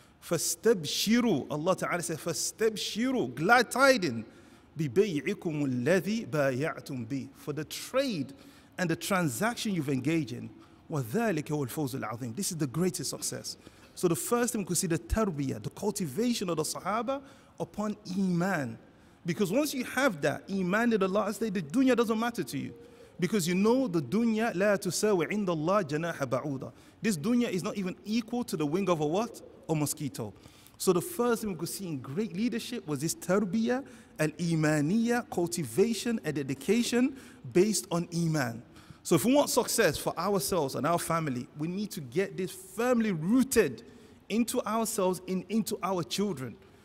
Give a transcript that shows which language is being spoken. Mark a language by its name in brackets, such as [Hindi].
[Arabic] فَاسْتَبْشِرُوا, [English] Allah ta'ala says, فَاسْتَبْشِرُوا, glad tidings, [Arabic] بِبَيْعِكُمُ الَّذِي بَايَعْتُمْ بِهِ, [English] for the trade and the transaction you've engaged in. [Arabic] وَذَلِكَ وَالْفَوْزُ الْعَظِيمُ, [English] this is the greatest success. So the first thing we could see, the tarbiyah, the cultivation of the Sahaba upon Iman. Because once you have that, Iman in the last day, the dunya doesn't matter to you. Because you know the dunya, [Arabic] لا تساوي عند الله جناح بعوضة. [English] This dunya is not even equal to the wing of a what? A mosquito. So the first thing we could see in great leadership was this tarbiyah, al-imaniyah, cultivation and dedication based on Iman. So if we want success for ourselves and our family, we need to get this firmly rooted into ourselves and into our children.